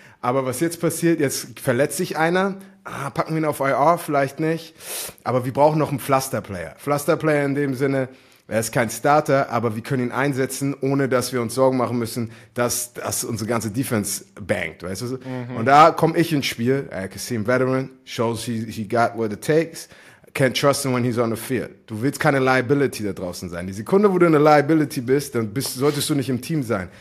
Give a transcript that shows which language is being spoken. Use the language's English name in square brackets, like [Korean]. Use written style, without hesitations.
[German] Aber was jetzt passiert, jetzt verletzt sich einer. Packen wir ihn auf IR, vielleicht nicht. Aber wir brauchen noch einen Pflasterplayer. Pflasterplayer in dem Sinne, er ist kein Starter, aber wir können ihn einsetzen, ohne dass wir uns Sorgen machen müssen, dass unsere ganze Defense bangt, weißt du? Und da komme ich ins Spiel, [English] Kasim Veteran, shows he got what it takes, can't trust him when he's on the field. [German] Du willst keine Liability da draußen sein. Die Sekunde, wo du eine Liability bist, dann solltest du nicht im Team sein.